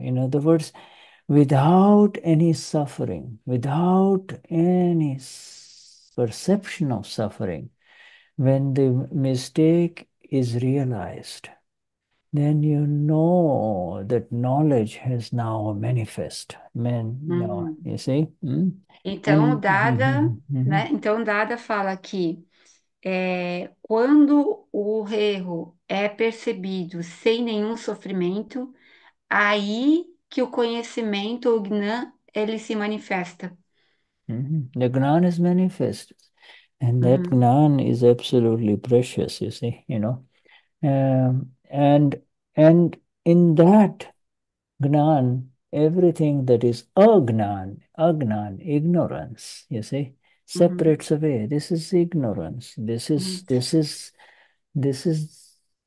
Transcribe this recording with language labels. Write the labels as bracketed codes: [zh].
[en] in other words, without any suffering, without any perception of suffering, when the mistake is realised, then you know that knowledge has now manifest man now you see [pt] Então, [en] and [pt] né? Então, Dada fala que quando o erro é percebido sem nenhum sofrimento, aí que o conhecimento, o Gnan, ele se manifesta. [en] The Gnan is manifest, and that Gnan is absolutely precious, you see, and in that Gnan, everything that is agnan, ignorance, you see, separates away. This is ignorance. This is this is this is